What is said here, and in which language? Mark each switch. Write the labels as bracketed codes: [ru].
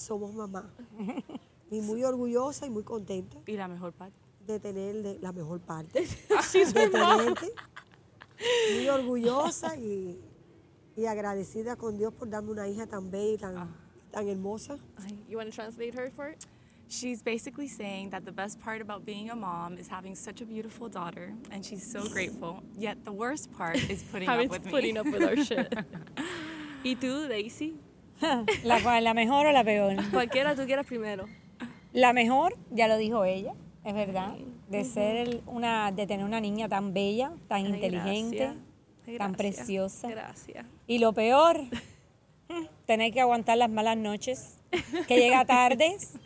[es] Somos mamás. Y muy orgullosa y muy contenta. ¿Y la mejor parte? De tener la mejor parte. Sí, soy mamá. Muy orgullosa y agradecida con Dios por darme una hija tan bella y tan, tan hermosa. [en] You want to translate her for it? She's basically saying that the best part about being a mom is having such a beautiful daughter, and she's so grateful. Yet the worst part is putting up with our shit. [es] ¿Y tú, Daisy? ¿La cual, la mejor o la peor? Cualquiera tú quieras primero. La mejor, ya lo dijo ella, es verdad, de ser una, de tener una niña tan bella, tan inteligente, tan preciosa. Gracias. Y lo peor, tener que aguantar las malas noches, que llega tarde.